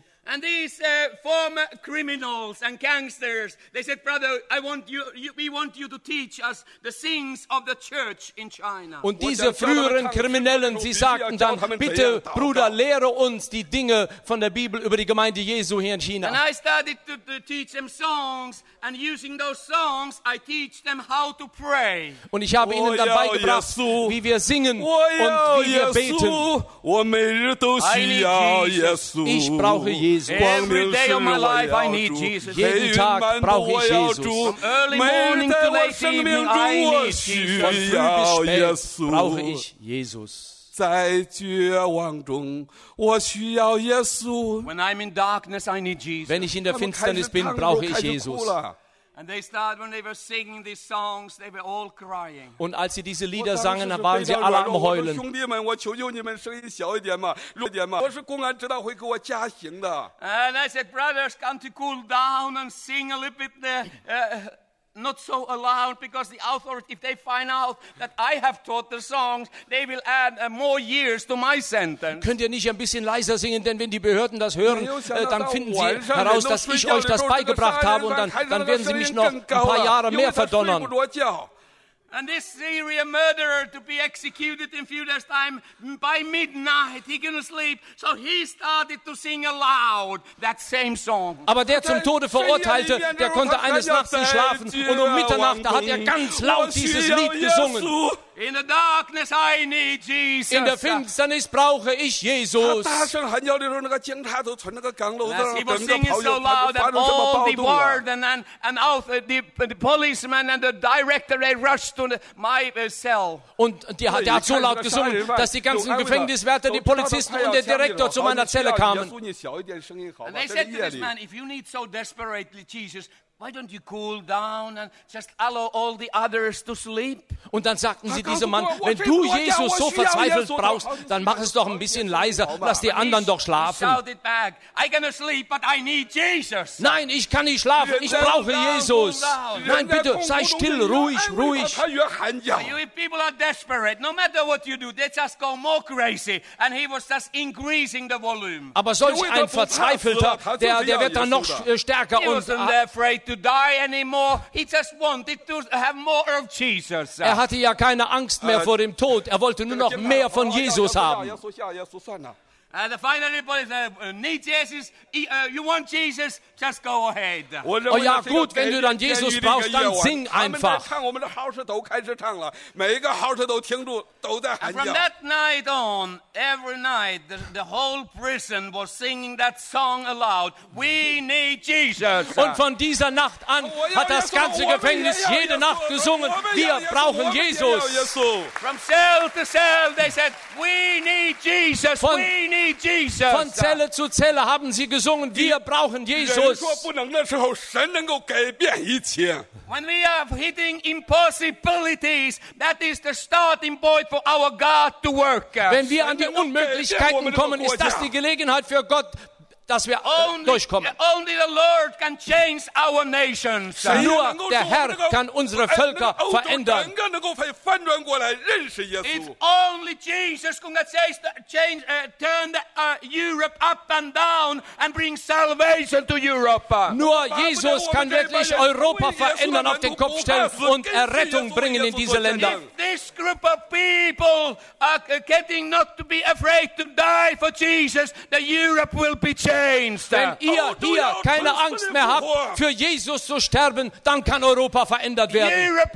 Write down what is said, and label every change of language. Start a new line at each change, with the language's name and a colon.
English: And these former criminals and gangsters, they said, brother, we want you to teach us the things of the church in China.
German: Und diese früheren Kriminellen, sie sagten dann, bitte, Bruder, lehre uns die Dinge von der Bibel über die Gemeinde Jesu hier in China.
English: And I started to teach them songs, and using those songs, I teach them how to pray.
German: Und ich habe ihnen dann beigebracht, wie wir singen und wie wir beten. Ich brauche Jesus.
English: Every day of my life I need Jesus.
German: Jeden Tag brauche ich Jesus.
English: From early morning to late evening I need Jesus.
German: Von früh bis spät brauche ich Jesus.
Chinese: 在绝望中,
English: when I'm in darkness I need Jesus.
German: Wenn ich in der Finsternis bin, brauche ich Jesus.
English: And they started when they were singing these songs, they were all crying.
German: Und als sie diese Lieder sangen, waren sie alle am Heulen.
Chinese: 兄弟们, 我求求你们, 声音小一点嘛, 弱点嘛, 我是公安知道会给我加刑的。
English: And I said, brothers, come to cool down and sing a little bit there. Not so allowed, because the authorities, if they find out that I have taught the songs, they will add more years to my sentence.
German: Könnt ihr nicht ein bisschen leiser singen, denn wenn die Behörden das hören, dann finden sie heraus, dass ich euch das beigebracht habe und dann werden sie mich noch ein paar Jahre mehr verdonnern.
English: And this serial murderer to be executed in a few days' time, by midnight, he couldn't sleep, so he started to sing aloud that same song.
German: Aber der zum Tode Verurteilte, der konnte eines Nachts nicht schlafen, und Mitternacht hat ganz laut dieses Lied gesungen.
English: In the darkness I need Jesus.
German: In der Finsternis brauche ich Jesus.
English: As he was singing so loud that all the warden and the policeman and the director, they rushed to my cell.
German: Und der hat so laut gesungen, dass die ganzen Gefängniswärter, die Polizisten und der Direktor zu meiner Zelle kamen.
English: And they said to this man, if you need so desperately Jesus, why don't you cool down and just allow all the others to sleep?
German: Und dann sagten sie diesem Mann, wenn du Jesus so verzweifelt brauchst, dann mach es doch ein bisschen leiser, lass die anderen doch schlafen.
English: I can sleep, but I need Jesus.
German: Nein, ich kann nicht schlafen, ich brauche Jesus. Nein, bitte, sei still, ruhig.
English: You people are desperate. No matter what you do, they just go more crazy. And he was just increasing the volume.
German: Aber solch ein Verzweifelter, der wird dann noch stärker und
English: to die anymore. He just wanted to have more of Jesus.
German: Er hatte ja keine Angst mehr vor dem Tod. Er wollte nur noch mehr von Jesus haben.
English: And finally, people say, "Need Jesus? You want Jesus? Just go ahead."
German: Oh, ja, gut. Wenn du dann Jesus brauchst, dann sing einfach.
English: From that night on, every night, the whole prison was singing that song aloud. We need Jesus.
German: Und von dieser Nacht an hat das ganze Gefängnis jede Nacht gesungen: Wir brauchen Jesus.
English: From cell to cell, they said, "We need Jesus. We need." Jesus.
German: Von Zelle zu Zelle haben sie gesungen, wir brauchen Jesus.
English: When we are hitting impossibilities, that is the starting point for our God to work.
German: Wenn wir an die Unmöglichkeiten kommen, ist das die Gelegenheit für Gott, dass wir durchkommen.
English: Only the Lord can change our nations.
German: Nur der Herr kann unsere Völker verändern.
English: It's only Jesus who can turn Europe up and down and bring salvation to Europe.
German: Nur Jesus kann wirklich Europa verändern, auf den Kopf stellen und Errettung bringen in diese Länder.
English: If this group of people are getting not to be afraid to die for Jesus, then Europe will be changed.
German: Wenn ihr hier keine Angst mehr habt, für Jesus zu sterben, dann kann Europa verändert werden.